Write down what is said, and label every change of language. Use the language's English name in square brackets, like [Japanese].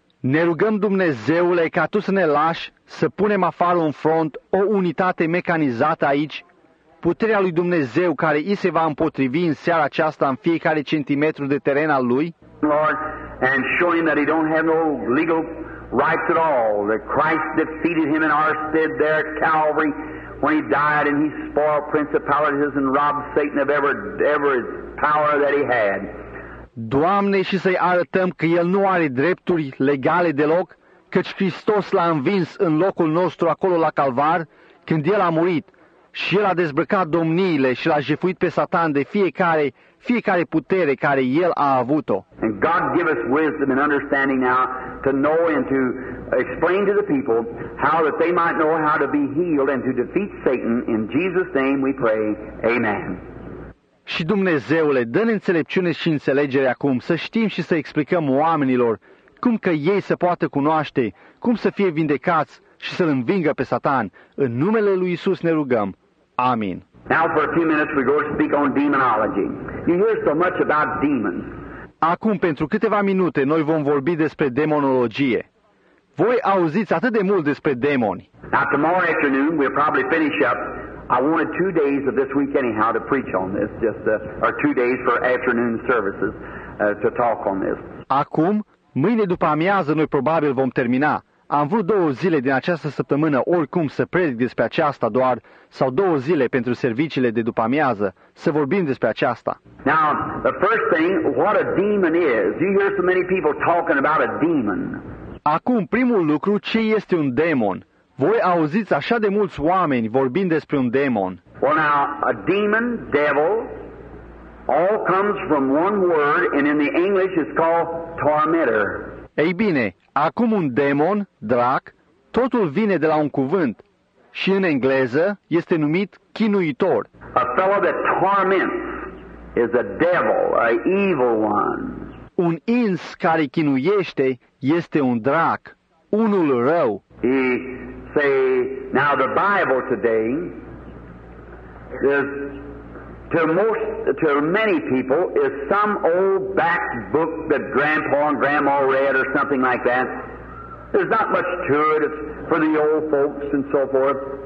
[Romanian] Ne rugăm, Dumnezeule, ca Tu să ne lași să punem afară un front, o unitate mecanizată aici, puterea lui Dumnezeu care îi se va împotrivi în seara aceasta în fiecare centimetru de teren al lui. [English] Lord, and show him that he don't have no legal rights at all, that Christ defeated him in our stead there at Calvary when he died and he spoiled principalities and robbed Satan of every power that he had. [Romanian] Doamne, și să-i arătăm că el nu are drepturi legale deloc, căci Hristos l-a învins în locul nostru acolo la Calvar, când el a murit și el a dezbrăcat domniile și l-a jefuit pe Satan de fiecare putere care el a avut-o. [English] And God give us wisdom and understanding now to know and to explain to the people how that they might know how to be healed and to defeat Satan. In Jesus' name we pray, amen. [Romanian] Și Dumnezeule, dă-ne înțelepciune și înțelegere acum, să știm și să explicăm oamenilor cum că ei se poate cunoaște, cum să fie vindecați și să-l învingă pe Satan. În numele lui Iisus ne rugăm. Amin. [English] Now for a few minutes we go to speak on demonology. You hear so much about demons. [Romanian] Acum, pentru câteva minute, noi vom vorbi despre demonologie. Voi auziți atât de mult despre demoni. [English] Now tomorrow afternoon we'll probably finish up. I wanted 2 days of this week anyhow to preach on this, or 2 days for afternoon services to talk on this. [Romanian] Acum, mâine după amiază, noi probabil vom termina. Am vrut 2 zile din această săptămână, oricum, să predic despre aceasta doar, sau 2 zile pentru serviciile de după amiază, să vorbim despre aceasta. [English] Now, the first thing, what a demon is. You hear so many people talking about a demon. [Romanian] Acum, primul lucru, ce este un demon? Voi auziți așa de mulți oameni vorbind despre un demon. [English] Well, now, a demon, devil, all comes from one word, and in the English it's called tormentor. [Romanian] Ei bine, acum un demon, drac, totul vine de la un cuvânt și în engleză este numit chinuitor. [English] A fellow that torments is a devil, an evil one. [Romanian] Un ins care chinuiește este un drac, unul rău. [English] He say, now the Bible today is to most, to many people, is some old back book that grandpa and grandma read or something like that. There's not much to it. It's for the old folks and so forth.